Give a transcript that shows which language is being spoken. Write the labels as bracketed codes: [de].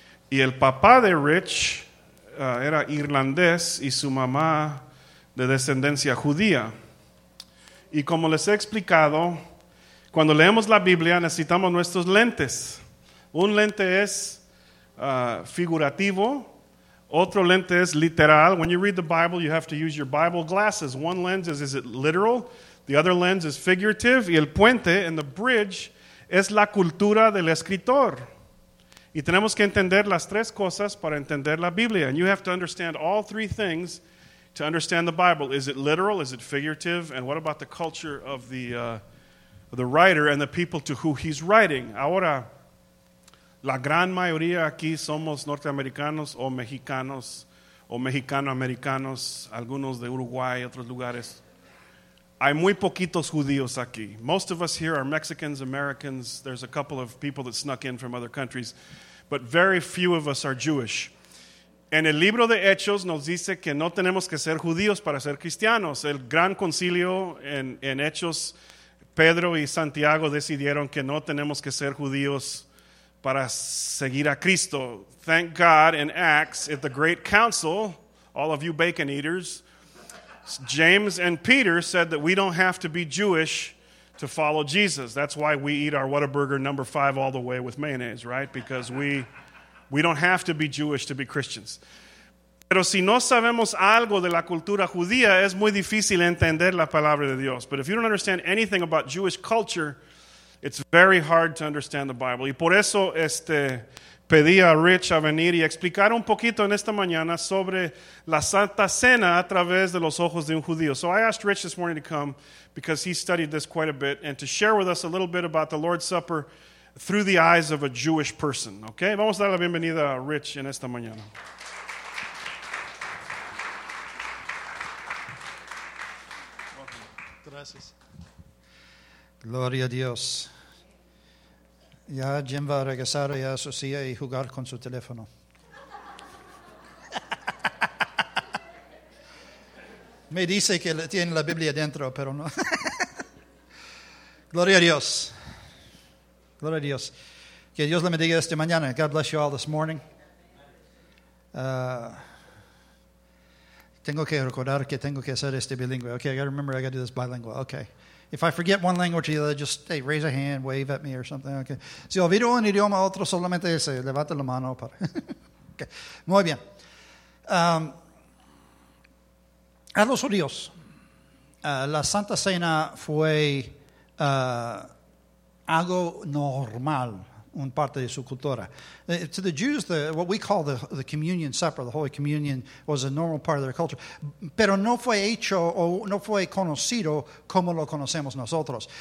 [es] Y el papá de Rich era irlandés y su mamá de descendencia judía. Y como les he explicado, cuando leemos la Biblia necesitamos nuestros lentes. Un lente es figurativo, otro lente es literal. [en] When you read the Bible, you have to use your Bible glasses. One lens is it literal? The other lens is figurative. [es] Y el puente, [en] and the bridge, [es] es la cultura del escritor. Y tenemos que entender las tres cosas para entender la Biblia. [en] And you have to understand all three things to understand the Bible. Is it literal? Is it figurative? And what about the culture of the writer and the people to who he's writing? [es] Ahora, la gran mayoría aquí somos norteamericanos o mexicanos o mexicano-americanos, algunos de Uruguay, otros lugares. Hay muy poquitos judíos aquí. [en] Most of us here are Mexicans, Americans. There's a couple of people that snuck in from other countries. But very few of us are Jewish. [es] En el libro de Hechos nos dice que no tenemos que ser judíos para ser cristianos. El gran concilio en Hechos, Pedro y Santiago decidieron que no tenemos que ser judíos para seguir a Cristo. [en] Thank God in Acts at the Great Council, all of you bacon eaters, James and Peter said that we don't have to be Jewish to follow Jesus. That's why we eat our Whataburger number 5 all the way with mayonnaise, right? Because we don't have to be Jewish to be Christians. [es] Pero si no sabemos algo de la cultura judía, es muy difícil entender la palabra de Dios. [en] But if you don't understand anything about Jewish culture, it's very hard to understand the Bible. [es] Y por eso pedí a Rich a venir y explicar un poquito en esta mañana sobre la Santa Cena a través de los ojos de un judío. [en] So I asked Rich this morning to come because he studied this quite a bit and to share with us a little bit about the Lord's Supper through the eyes of a Jewish person. Okay? [es] Vamos a dar la bienvenida a Rich en esta mañana. Gloria a Dios. Ya Jim va a regresar a su silla y jugar con su teléfono. Me dice que tiene la Biblia dentro, pero no. Gloria a Dios. Gloria a Dios. Que Dios le bendiga esta mañana. [en] God bless you all this morning. [es] Tengo que recordar que tengo que hacer este bilingüe. [en] Okay, I got to remember I got to do this bilingual. Okay. If I forget one language or the other, just, hey, raise a hand, wave at me or something. Okay. [es] Si olvido un idioma, otro solamente ese. Levate la mano. Para. Okay. Muy bien. A los judíos, la Santa Cena fue algo normal, un parte de su cultura. [en] To the Jews, what we call the communion supper, the Holy Communion, was a normal part of their culture. [es] Pero no fue hecho o no fue conocido como lo conocemos nosotros.